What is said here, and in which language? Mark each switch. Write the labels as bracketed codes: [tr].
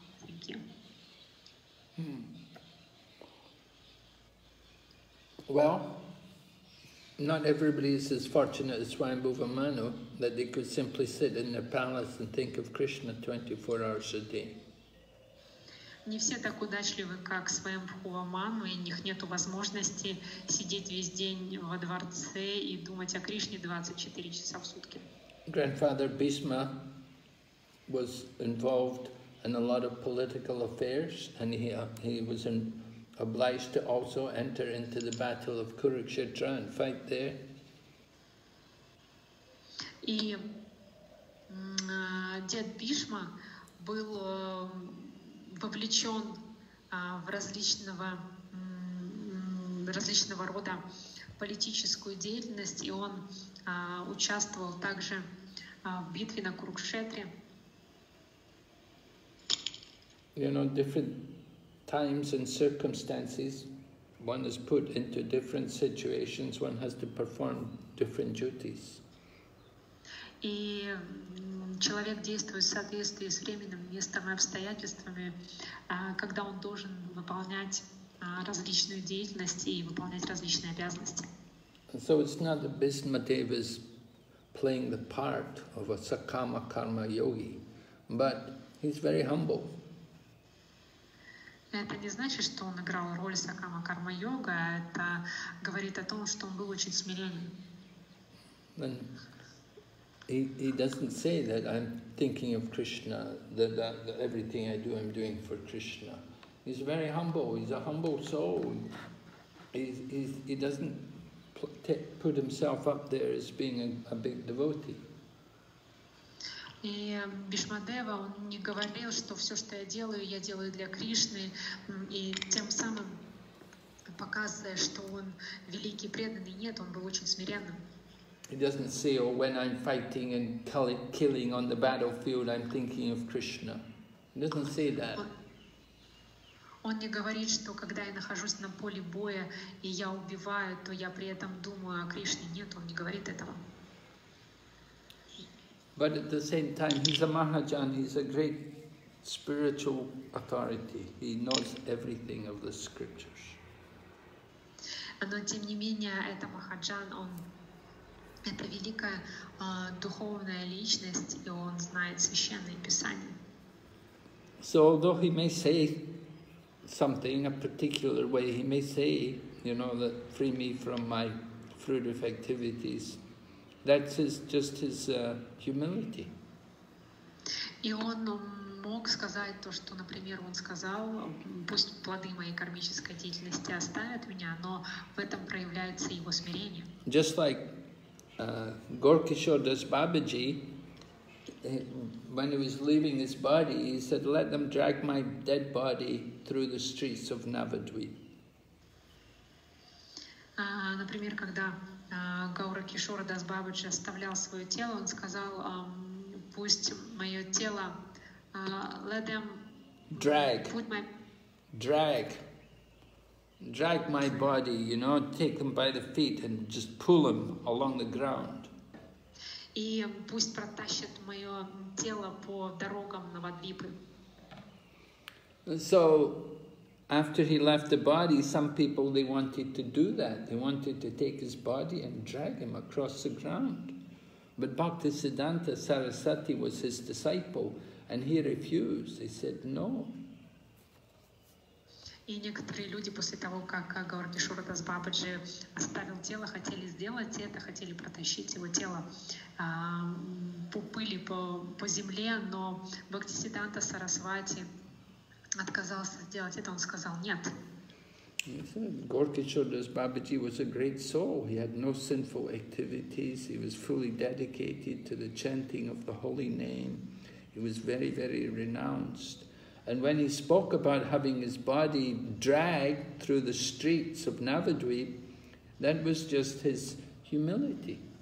[en] Thank you. Well, not everybody is as fortunate as Swayambhuva Manu that they could simply sit in their palace and think of Krishna 24 hours a day. [ru] Не все так удачливы, как Свайамбхува Ману, и у них нет возможности сидеть весь день во дворце и думать о Кришне 24 часа в сутки. [en] Grandfather Bhishma was involved in a lot of political affairs, and he was obliged to also enter into the battle of Kurukshetra and fight there. [ru] И дед Бишма был вовлечен в различного рода политическую деятельность, и он участвовал также в битве на Курукшетре. [en] You know, different times and circumstances, one is put into different situations, one has to perform different duties. [ru] И человек действует в соответствии с временем, местом и обстоятельствами, когда он должен выполнять различную деятельность и выполнять различные обязанности. [en] So it's not that Bhishma Dev is playing the part of a Sakama Karma Yogi, but he's very humble. [ru] Это не значит, что он играл роль Сакама Карма Йога, это говорит о том, что он был очень смиренен. [en] He doesn't say that I'm thinking of Krishna, that everything I do, I'm doing for Krishna. He's very humble. He's a humble soul. He doesn't put himself up there as being a big devotee. [ru] И Бишма Дева, он не говорил, что все, что я делаю для Кришны, и тем самым показывая, что он великий преданный. Нет, он был очень смиренным. [en] He doesn't say, "Oh, when I'm fighting and killing on the battlefield, I'm thinking of Krishna." He doesn't say that. [ru] Он не говорит, что когда я нахожусь на поле боя и я убиваю, то я при этом думаю о Кришне. Нет, он не говорит этого. [en] But at the same time, he's a Mahajan. He's a great spiritual authority. He knows everything of the scriptures. [ru] Но тем не менее, это Махаджан. Он это великая духовная личность, и он знает священные писания. [en] So although he may say something a particular way, he may say, you know, that free me from my fruitive activities. That's just his humility. [ru] И он мог сказать то, что, например, он сказал, пусть плоды моей кармической деятельности оставят меня, но в этом проявляется его смирение. [en] Just like Gaurakishore Das Babaji, when he was leaving his body, he said, "Let them drag my dead body through the streets of Navadvip." [ru] Например, когда Gaurakishore Das Babaji оставлял свое тело, он сказал, "Пусть мое тело, [en] let them drag my body, you know, take them by the feet and just pull them along the ground." [ru] И пусть протащат мое тело по дорогам Навадвипы. [en] So, after he left the body, some people, they wanted to do that. They wanted to take his body and drag him across the ground. But Bhaktisiddhanta Sarasvati was his disciple, and he refused. He said, "No." [ru] И некоторые люди после того, как Гаурикишора Дас Бабаджи оставил тело, хотели сделать это, хотели протащить его тело по пыли, по земле, но Бхактисиддханта Сарасвати отказался сделать это, он сказал нет. [en] Гаурикишора Дас Бабаджи was a great soul. He had no sinful activities. He was fully dedicated to the chanting of the holy name. He was very, very renounced. And when he spoke about having his body dragged through the streets of Navadvip, that was just his humility.